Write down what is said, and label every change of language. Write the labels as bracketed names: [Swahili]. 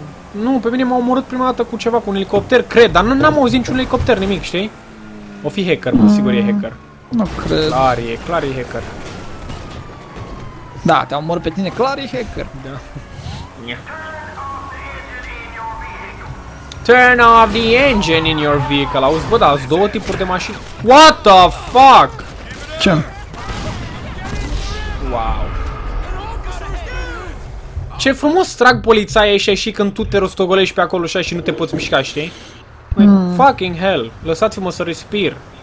[Romanian] Nu, pe mine m-a omorât prima dată cu ceva, cu un elicopter, cred. Dar n-am auzit niciun elicopter, nimic, știi? O fi hacker, mă, sigur e hacker. Nu cred. Clar e hacker. Da, te-a omorât pe tine, clar e hacker. Da. [English] Turn off the engine in your vehicle. [Romanian] Auzi, bă, da, două tipuri de mașini. [English] What the fuck? [Romanian] Ce? [English] Wow. [Romanian] Ce frumos trag polițaia ăștia și când tu te rostogolești pe acolo și nu te poți mișca, știi? [English] Fucking hell. [Romanian] Lăsați-mă să respir.